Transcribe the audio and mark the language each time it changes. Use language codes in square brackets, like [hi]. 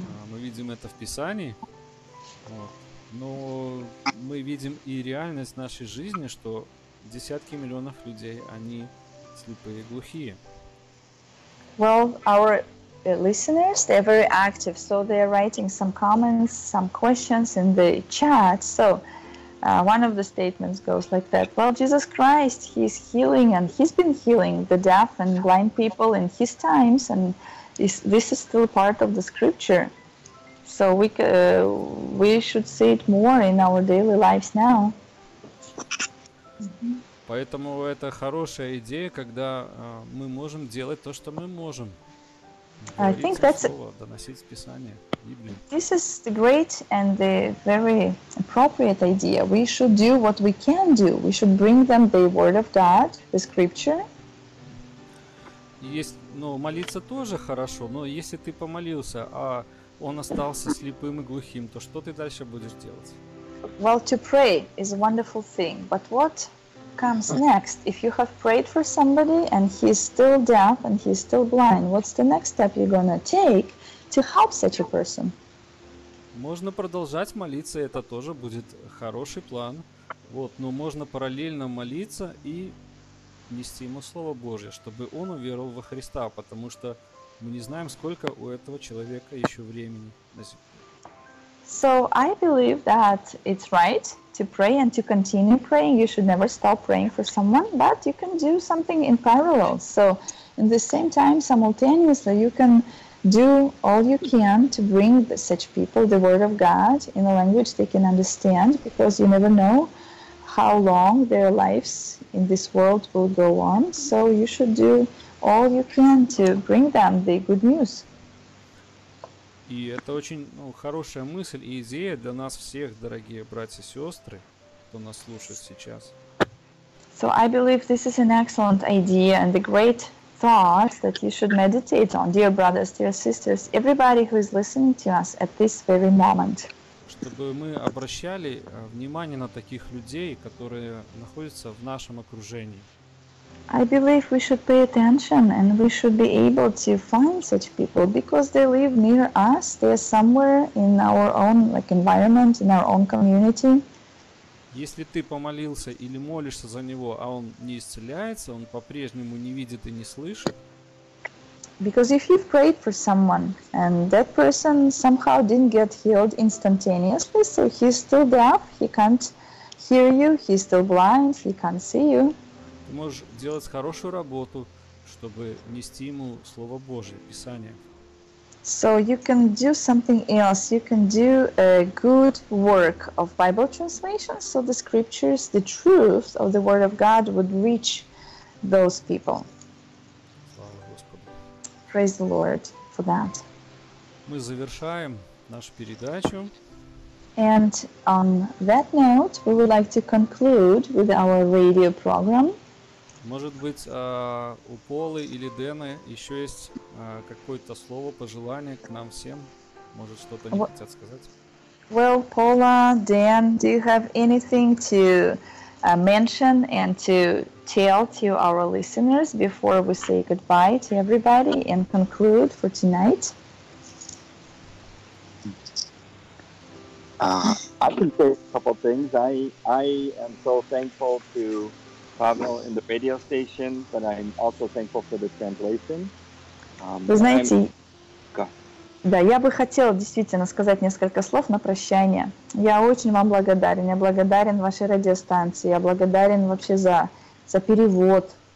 [ru] Мы видим это в Писании. Вот. Но мы видим и реальность нашей жизни, что десятки миллионов людей, они слепые и глухие. [en] Well, our listeners, they're very active, so they're writing some comments, some questions in the chat. So one of the statements goes like that. Well, Jesus Christ, he's healing and he's been healing the deaf and blind people in his times, and this is still part of the scripture. So we should see it more in our daily lives now. [ru] Поэтому это хорошая идея, когда мы можем делать то, что мы можем. [en] I think that's [ru] доносить Писание. [en] This is the great and the very appropriate idea. We should do what we can do. We should bring them the word of God, the scripture. [ru] Есть, ну, молиться тоже хорошо, но если ты помолился, а он остался слепым и глухим, то что ты дальше будешь делать? [en] Well, to pray is a wonderful thing, but what comes next? If you have prayed for somebody and he's still deaf and he's still blind, what's the next step you're gonna take to help such a person? [ru] Можно продолжать молиться, это тоже будет хороший план. Вот, но можно параллельно молиться и нести ему Слово Божье, чтобы он уверовал во Христа, потому что мы не знаем, сколько у этого человека еще времени на земле. [en] So I believe that it's right to pray and to continue praying. You should never stop praying for someone, but you can do something in parallel. So in the same time, simultaneously, you can do all you can to bring such people the Word of God in a language they can understand, because you never know how long their lives in this world will go on. So you should do all you can to bring them the good news. [ru] И это очень, ну, хорошая мысль и идея для нас всех, дорогие братья и сестры, кто нас слушает сейчас. [en] So I believe this is an excellent idea and a great thought that you should meditate on, dear brothers, dear sisters, everybody who is listening to us at this very moment. [ru] Чтобы мы обращали внимание на таких людей, которые находятся в нашем окружении. [en] I believe we should pay attention and we should be able to find such people because they live near us, they are somewhere in our own like environment, in our own community. [ru] Если ты помолился или молишься за него, а он не исцеляется, он по-прежнему не видит и не слышит. [en] Because if you've prayed for someone and that person somehow didn't get healed instantaneously, so he's still deaf, he can't hear you, he's still blind, he can't see you. [ru] Ты можешь делать хорошую работу, чтобы нести ему Слово Божие, Писание. [en] So you can do something else. You can do a good work of Bible translation, so the scriptures, the truth of the Word of God would reach those people. [ru] Слава Господу. [en] Praise the Lord for that. [ru] Мы завершаем нашу передачу. [en] And on that note, we would like to conclude with our radio program. [ru] Может быть, у Полы или Дэны еще есть какое-то слово, пожелание к нам всем? Может, что-то они хотят сказать? [en] Well, Paula, Dan, do you have anything to mention and to tell to our listeners before we say goodbye to everybody and conclude for tonight? I can say a couple things. I am so thankful to Pavel in the radio station, but I'm also thankful for the translation. [ru] Вы знаете, да, я бы хотел действительно сказать несколько слов на прощание. Я очень вам благодарен. Я благодарен вашей радиостанции. Я благодарен вообще за перевод.